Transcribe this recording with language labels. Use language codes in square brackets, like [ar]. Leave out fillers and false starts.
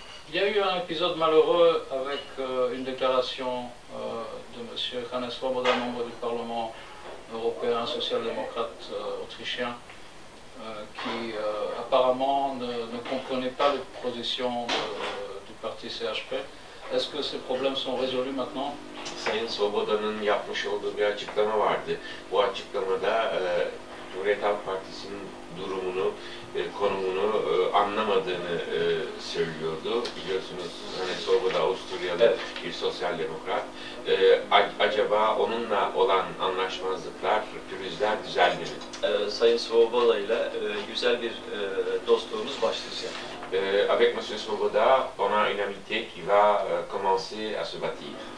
[fr] Il y a eu un épisode malheureux avec une déclaration de M. Hannes Svoboda, membre du Parlement européen social-démocrate autrichien, qui apparemment ne comprenait pas les positions du parti CHP. Est-ce que ces problèmes sont résolus maintenant? [tr] Sayın Svoboda'nın yapmış olduğu bir açıklama vardı. Bu açıklamada Cumhuriyet Halk Partisi'nin durumunu, konumunu anlamadığını söylüyordu. Biliyorsunuz hani Svoboda Avusturyalı, evet, bir sosyal demokrat. Acaba onunla olan anlaşmazlıklar, pürüzler düzeldi mi? Sayın Svoboda ile güzel bir dostluğumuz başlayacak. [fr] Avec Monsieur Svoboda, on a une amitié qui va commencer à se bâtir.